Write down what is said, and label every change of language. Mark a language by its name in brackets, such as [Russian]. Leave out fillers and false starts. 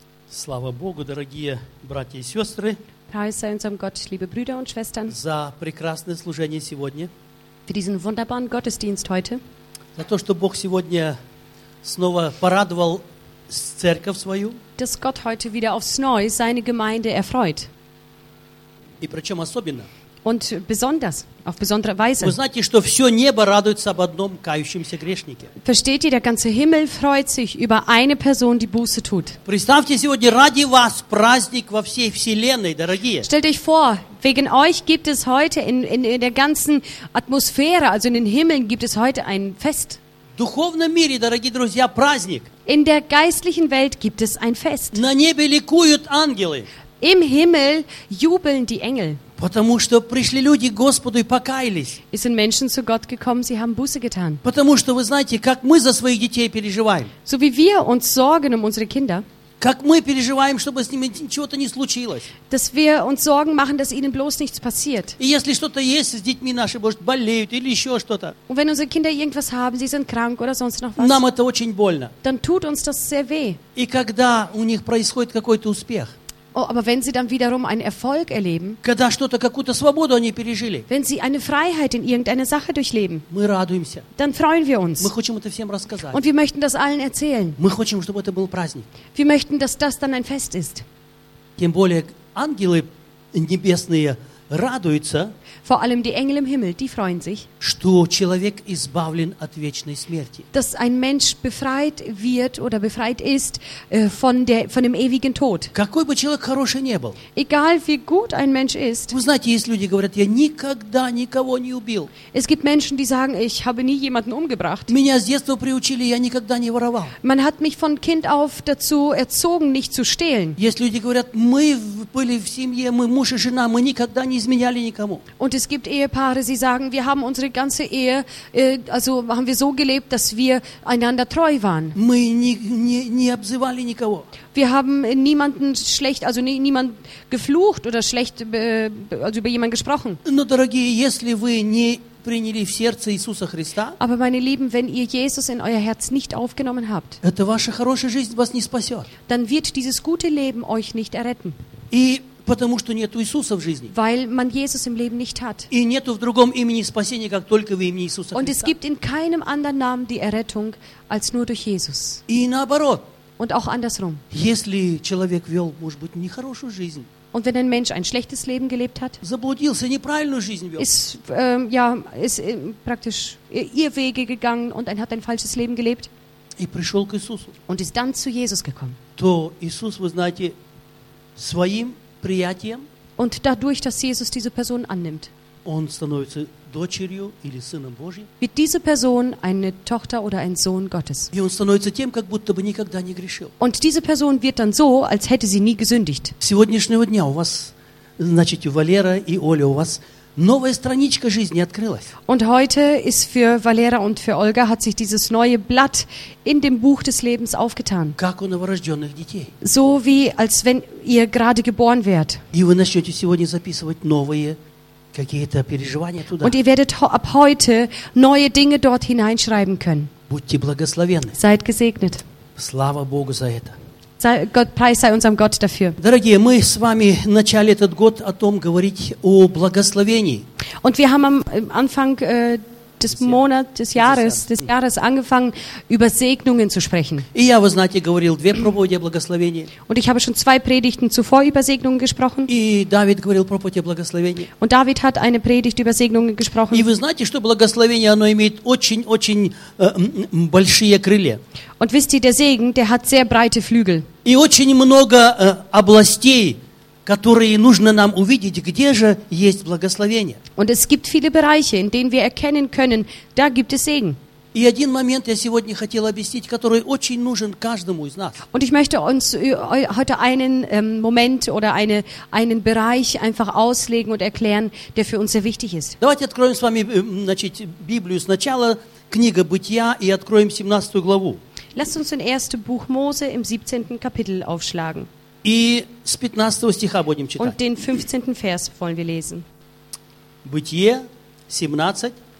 [Russian] Слава Богу, дорогие братья и сестры, за прекрасное служение сегодня, [German] für diesen wunderbaren Gottesdienst heute, [Russian] за то, что Бог сегодня снова порадовал церковь свою, [German] dass Gott heute wieder aufs Neue seine Gemeinde erfreut. [Russian] И причем особенно. [German] Und besonders, auf besondere Weise. [Russian] Вы знаете, что все небо радуется об одном кающемся грешнике. [German] Versteht ihr, der ganze Himmel freut sich über eine Person, die Buße tut. [Russian] Представьте сегодня ради вас праздник во всей вселенной, дорогие. [German] Stellt euch vor, wegen euch gibt es heute in der ganzen Atmosphäre, also in den Himmeln, gibt es heute ein Fest. [Russian] В духовном мире, дорогие друзья, праздник. [German] In der geistlichen Welt gibt es ein Fest. [Russian] На небе ликуют ангелы. [German] Im Himmel jubeln die Engel. [Russian] Потому что пришли люди к Господу и покаялись. [German] Es sind Menschen zu Gott gekommen, sie haben Buße getan. [Russian] Потому что вы знаете, как мы за своих детей переживаем. [German] So wie wir uns sorgen um unsere Kinder. [Russian] Как мы переживаем, чтобы с ними ничего-то не случилось. [German] Dass wir uns Sorgen machen, dass ihnen bloß nichts passiert. [Russian] И если что-то есть с детьми наши, может, болеют или еще что-то. [German] Und wenn unsere Kinder irgendwas haben, sie sind krank oder sonst noch was. [Russian] Нам это очень больно. [German] Dann tut uns das sehr weh. [Russian] И когда у них происходит какой-то успех. [German] Oh, aber wenn sie dann wiederum einen Erfolg erleben, [Russian] когда что-то, какую-то свободу они пережили, [German] wenn sie eine Freiheit in irgendeiner Sache durchleben, [Russian] мы радуемся, [German] dann freuen wir uns. [Russian] Мы хотим это всем рассказать. [German] Und wir möchten das allen erzählen. [Russian] Мы хотим, чтобы это был праздник. [German] Wir möchten, dass das dann ein Fest ist. [Russian] Тем более, ангелы небесные радуются, [German] vor allem die Engel im Himmel, die freuen sich, [Russian] что человек избавлен от вечной смерти. [German] Dass ein Mensch befreit wird oder befreit ist von dem ewigen Tod. [Russian] Какой бы человек хороший не был. [German] Egal wie gut ein Mensch ist. [Russian] Вы знаете, есть люди, говорят, я никогда никого не убил. [German] Es gibt Menschen, die sagen, ich habe nie jemanden umgebracht. [Russian] Меня с детства приучили, я никогда не воровал. [German] Man hat mich von Kind auf dazu erzogen, nicht zu stehlen. [Russian] Есть люди, говорят, мы были в семье, мы муж и жена, мы никогда не изменяли никому. [German] Und es gibt Ehepaare, sie sagen, wir haben unsere ganze Ehe, also haben wir so gelebt, dass wir einander treu waren. [Russian] Мы не обзывали никого. [German] Wir haben niemanden schlecht, also niemand geflucht oder schlecht also über jemanden gesprochen. [Russian] Но, дорогие, если вы не приняли в сердце Иисуса Христа, [German] aber meine Lieben, wenn ihr Jesus in euer Herz nicht aufgenommen habt, [Russian] это ваша хорошая жизнь вас не спасет. [German] Dann wird dieses gute Leben euch nicht erretten. [Russian] И потому что нету Иисуса в жизни. [German] Weil man Jesus im Leben nicht hat. [Russian] И нету в другом имени спасения, как только в имени Иисуса Христа. [German] Und es gibt in keinem anderen Namen die Errettung als nur durch Jesus. [Russian] И наоборот. [German] Und auch andersrum. [Russian] Если человек вел, может быть, нехорошую жизнь. [German] Und wenn ein Mensch ein schlechtes Leben gelebt hat. [Russian] Заблудился, неправильную жизнь вел. [German] Ist praktisch Irrwege gegangen und hat ein falsches Leben gelebt. [Russian] И пришел к Иисусу. [German] Und ist dann zu Jesus gekommen. [Russian] То Иисус, вы знаете, своим приятием, [German] und dadurch, dass Jesus diese Person annimmt, [Russian] он становится дочерью или сыном Божьим, [German] wird diese Person eine Tochter oder ein Sohn Gottes. [Russian] И он становится тем, как будто бы никогда не грешил. [German] Und diese Person wird dann so, als hätte sie nie gesündigt. [Russian] С сегодняшнего дня у вас, значит, Валера и Оля, у вас новая страничка жизни открылась. [German] Und heute ist für Valera und für Olga hat sich dieses neue Blatt in dem Buch des Lebens aufgetan. [Russian] Как у новорожденных детей. [German] So wie als wenn ihr gerade geboren wärt. [Russian] И вы начнете сегодня записывать новые какие-то переживания туда. [German] Und ihr werdet ab heute neue Dinge dort hineinschreiben können. [Russian] Будьте благословенны. [German] Seid gesegnet. [Russian] Слава Богу за это. [German] Gott, preis sei unserem Gott dafür. [Russian] Дорогие, мы с вами начали этот год о том говорить о благословении. [German] Und wir haben am Anfang des Jahres angefangen, über Segnungen zu sprechen. [Russian] И я, вы знаете, говорил две проповеди о благословении. [German] Und ich habe schon zwei Predigten zuvor über Segnungen gesprochen. [Russian] И Давид говорил проповедь о благословении. [German] Und David hat eine Predigt über Segnungen gesprochen. [Russian] И вы знаете, что благословение, оно имеет очень-очень большие крылья. [German] Und wisst ihr, der Segen, der hat sehr breite Flügel. [Russian] И очень много областей, которые нужно нам увидеть, где же есть благословение. [German] Und es gibt viele Bereiche, in denen wir erkennen können, da gibt es Segen. [Russian] И один момент я сегодня хотел объяснить, который очень нужен каждому из нас. [German] Und ich möchte uns heute einen Moment oder einen Bereich einfach auslegen und erklären, der für uns sehr wichtig ist. [Russian] Давайте откроем с вами, значит, Библию сначала, книга Бытия, и откроем 17 главу. [German] Lasst uns in 1. Buch Mose im 17. Kapitel aufschlagen. [Russian] И с 15 стиха будем читать. [German] Und den 15. Vers wollen wir lesen. [Russian] Бытие 17.